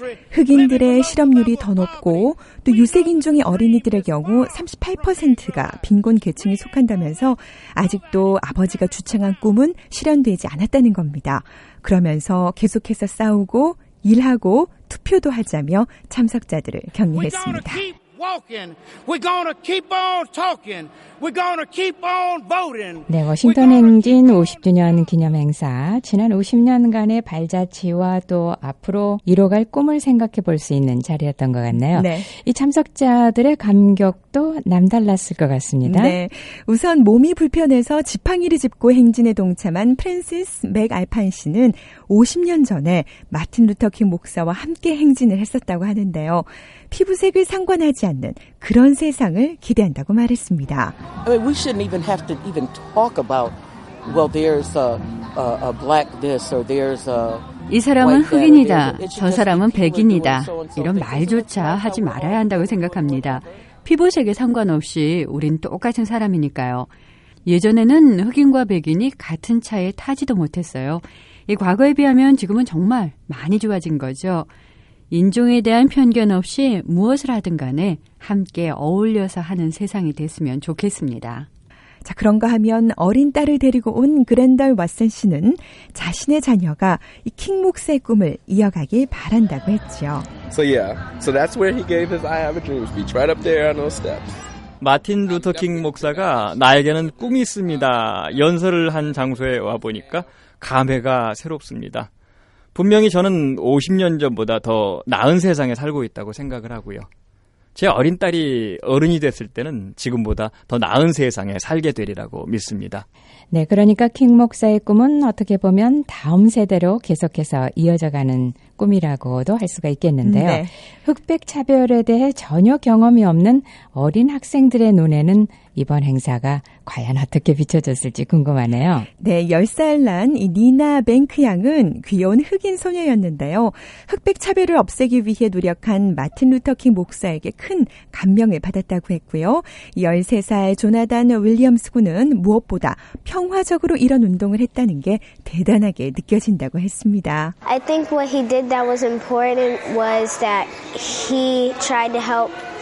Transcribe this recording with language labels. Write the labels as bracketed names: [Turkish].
[Korean] 흑인들의 실업률이 더 높고 또 유색인종의 어린이들의 경우 38%가 빈곤 계층에 속한다면서 아직도 아버지가 주창한 꿈은 실현되지 않았다는 겁니다. 그러면서 계속해서 싸우고 일하고 투표도 하자며 참석자들을 격려했습니다. [English] We're gonna keep on talking. We're gonna keep on voting. [Korean] 네, 워싱턴 행진 50주년 기념 행사. 지난 50년간의 발자취와 또 앞으로 이뤄갈 꿈을 생각해 볼 수 있는 자리였던 것 같네요. 네. 이 참석자들의 감격도 남달랐을 것 같습니다. 네. 우선 몸이 불편해서 지팡이를 짚고 행진에 동참한 프랜시스 맥 알판 씨는 50년 전에 마틴 루터킹 목사와 함께 행진을 했었다고 하는데요. 피부색을 상관하지 않는 그런 세상을 기대한다고 말했습니다. [English] I mean, we shouldn't even have to even talk about, well, there's a black this or there's a [Korean] 이 사람은 흑인이다, 저 사람은 백인이다, 이런 말조차 하지 말아야 한다고 생각합니다. 피부색에 상관없이 우린 똑같은 사람이니까요. 예전에는 흑인과 백인이 같은 차에 타지도 못했어요. 이 과거에 비하면 지금은 정말 많이 좋아진 거죠. 인종에 대한 편견 없이 무엇을 하든 간에 함께 어울려서 하는 세상이 됐으면 좋겠습니다. 자, 그런가 하면 어린 딸을 데리고 온 그랜덜 왓슨 씨는 자신의 자녀가 이 킹 목사의 꿈을 이어가길 바란다고 했죠. [English] So yeah. So that's where he gave his I have a dream speech right up there on those steps. [Korean] 마틴 루터 킹 목사가 나에게는 꿈이 있습니다. 연설을 한 장소에 와 보니까 감회가 새롭습니다. 분명히 저는 50년 전보다 더 나은 세상에 살고 있다고 생각을 하고요. 제 어린 딸이 어른이 됐을 때는 지금보다 더 나은 세상에 살게 되리라고 믿습니다. 네, 그러니까 킹 목사의 꿈은 어떻게 보면 다음 세대로 계속해서 이어져가는 꿈이라고도 할 수가 있겠는데요. 네. 흑백 차별에 대해 전혀 경험이 없는 어린 학생들의 눈에는 이번 행사가 과연 어떻게 비춰졌을지 궁금하네요. 네, 10살 난 이 니나 뱅크 양은 귀여운 흑인 소녀였는데요. 흑백 차별을 없애기 위해 노력한 마틴 루터킹 목사에게 큰 감명을 받았다고 했고요. 13살 조나단 윌리엄스 군은 무엇보다 평화적으로 이런 운동을 했다는 게 대단하게 느껴진다고 했습니다. [English] I think what he did that was important was that he tried to help